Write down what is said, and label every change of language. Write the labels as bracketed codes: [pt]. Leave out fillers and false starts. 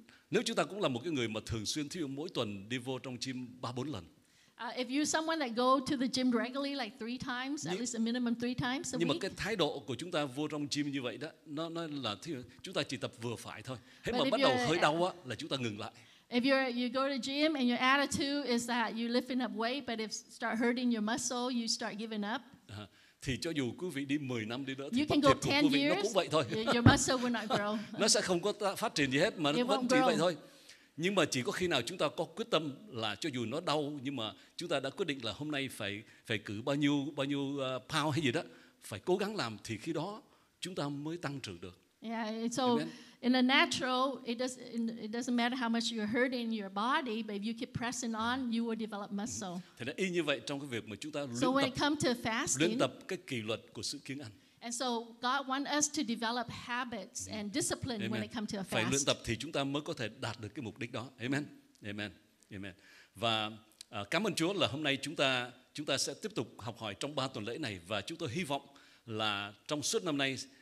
[vi] Nếu chúng ta cũng là một cái người mà thường xuyên thí dụ mỗi tuần đi vô trong gym 3-4 lần. [en] If you're someone that go to the gym regularly like 3 times, at least a minimum 3 times a week. [vi] Nhưng mà cái thái độ của chúng ta vô trong gym như vậy đó, nó là thí dụ chúng ta chỉ tập vừa phải thôi. Hết mà bắt đầu hơi đau á là chúng ta ngừng lại. [en] If you go to the gym and your attitude is that you're lifting up weight, but if start hurting your muscle, you start giving up. [vi] Thì cho dù quý vị đi 10 năm đi nữa, [en] you can go 10 years, [vi] nó cũng vậy thôi. [en] Your muscle will not grow. [vi] Nó sẽ không có phát triển gì hết mà nó vẫn chỉ vậy thôi. Nhưng mà chỉ có khi nào chúng ta có quyết tâm là cho dù nó đau nhưng mà chúng ta đã quyết định là hôm nay phải cử bao nhiêu pound hay gì đó, phải cố gắng làm thì khi đó chúng ta mới tăng trưởng được. [en] Yeah, so in a natural, it doesn't matter how much you're hurting your body, but if you keep pressing on, you will develop muscle. [vi] Thì nó y như vậy trong cái việc mà chúng ta luyện tập cái kỷ luật của sự kiêng ăn. [en] And so God wants us to develop habits and discipline when it comes to a fast. [vi] Phải luyện tập thì chúng ta mới có thể đạt được cái mục đích đó. Amen, amen, amen. Và cảm ơn Chúa là hôm nay chúng ta sẽ tiếp tục học hỏi trong 3 tuần lễ này và chúng tôi hy vọng là trong suốt năm nay.